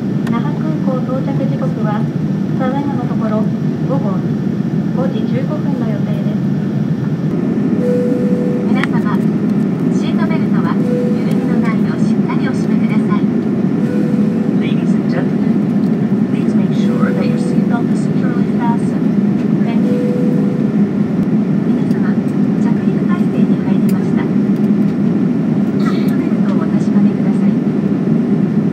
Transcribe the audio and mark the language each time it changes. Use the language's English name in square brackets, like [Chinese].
[Japanese] 那覇空港到着時刻はただいまのところ午後5時15分の予定です。皆様、シートベルトは緩みのないようしっかりお締めください。 [English] Ladies and gentlemen, please make sure that your seatbelt is securely fastened. Thank you. [Japanese] 皆様、着陸態勢に入りました。シートベルトをお確かめください。